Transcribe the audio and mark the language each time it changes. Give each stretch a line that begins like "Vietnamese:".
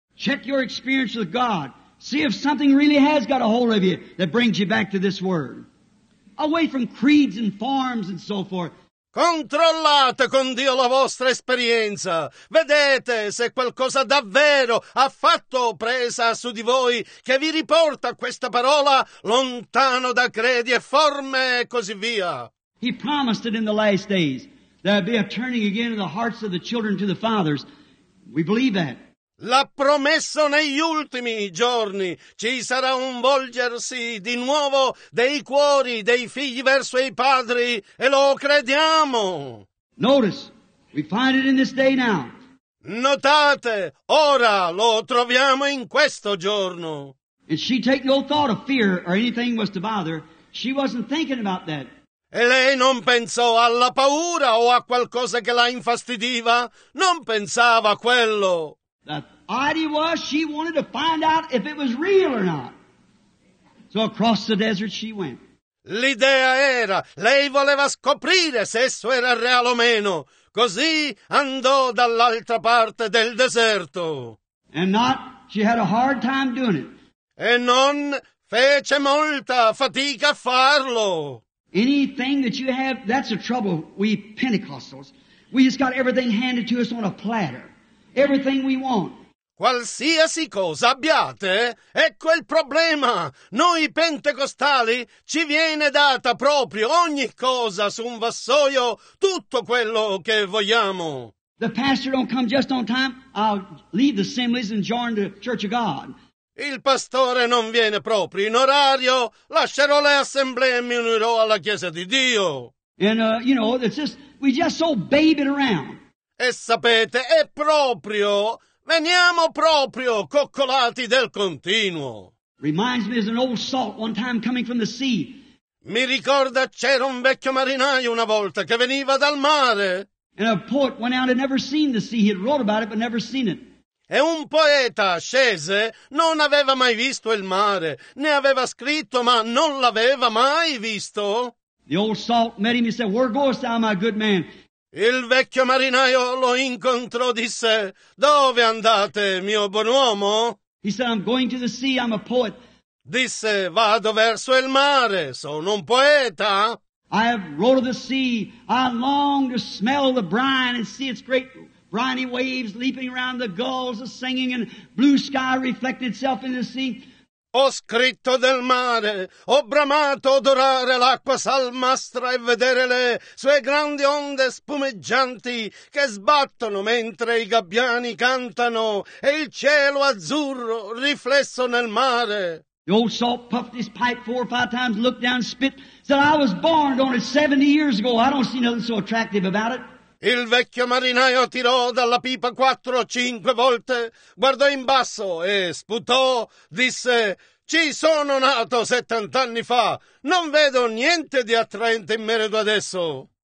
English: Check your experience with God. See if something really has got a hold of you that brings you back to this word. Away from creeds and forms and so forth.
Italian: Controllate con Dio la vostra esperienza. Vedete se qualcosa davvero ha fatto presa su di voi che vi riporta questa parola lontano da credi e forme e così via.
English: He promised it in the last days. There'd be a turning again in the hearts of the children to the fathers. We believe that.
Italian: L'ha promesso negli ultimi giorni. Ci sarà un volgersi di nuovo dei cuori dei figli verso i padri e lo crediamo.
English: Notice, we find it in this day now.
Italian: Notate, ora lo troviamo in questo giorno.
English: And she take no thought of fear or anything was to bother. She wasn't thinking about that.
Italian: E lei non pensò alla paura o a qualcosa che la infastidiva? Non pensava a quello.
English: The idea was she wanted to find out if it was real or not. So across the desert she went.
Italian: L'idea era, lei voleva scoprire se esso era reale o meno. Così andò dall'altra parte del deserto.
English: And not, she had a hard time doing it.
Italian: E non fece molta fatica a farlo.
English: Anything that you have, that's the trouble, we Pentecostals. We just got everything handed to us on a platter. Everything we want.
Italian: Qualsiasi cosa abbiate, ecco il problema. Noi pentecostali ci viene data proprio ogni cosa su un vassoio, tutto quello che vogliamo.
English: The pastor don't come just on time, I'll leave the assemblies and join the church of God.
Italian: Il pastore non viene proprio in orario, lascerò le assemblee e mi unirò alla chiesa di Dio.
English: And you know, it's just, we just so babe it around.
Italian: E sapete, è proprio, veniamo proprio coccolati del continuo.
English: Reminds me of an old salt one time coming from the sea.
Italian: Mi ricorda c'era un vecchio marinaio una volta che veniva dal mare.
English: And a poet went out and never seen the sea. He had wrote about it but never seen it.
Italian: E un poeta scese, non aveva mai visto il mare, ne aveva scritto ma non l'aveva mai visto.
English: The old salt met him and said, "Where goest thou, my good man?"
Italian: Il vecchio marinaio lo incontrò, disse, "Dove andate, mio buon uomo?"
English: He said, "I'm going to the sea, I'm a poet."
Italian: Disse, "Vado verso il mare, sono un poeta."
English: "I have wrote of the sea, I long to smell the brine and see its great briny waves leaping around the gulls, the singing and blue sky reflected itself in the sea."
Italian: Ho scritto del mare, ho bramato odorare l'acqua salmastra e vedere le sue grandi onde spumeggianti che sbattono mentre i gabbiani cantano e il cielo azzurro riflesso nel mare.
English: The old salt puffed his pipe four or five times, looked down, spit, said, "I was born on it 70 years ago. I don't see nothing so attractive about it."
Italian: Il vecchio marinaio tirò dalla pipa 4 o 5 volte, guardò in basso e sputò, disse, "Ci sono nato 70 anni fa, non vedo niente di attraente in merito adesso."